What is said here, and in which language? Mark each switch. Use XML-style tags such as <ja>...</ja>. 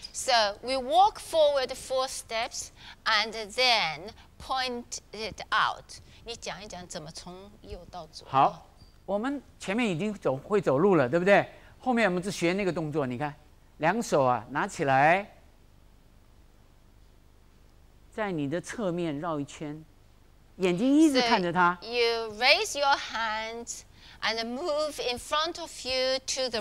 <en>So we walk forward four steps and then point it out.</en> <zh>你讲一讲怎么从右到左。好,我们前面已经会走路了,对不对? 后面我们就学那个动作,你看,两手啊,拿起来 在你的侧面绕一圈 眼睛一直看着他,</zh> <en>so you raise your hands and move in front of you to the</en>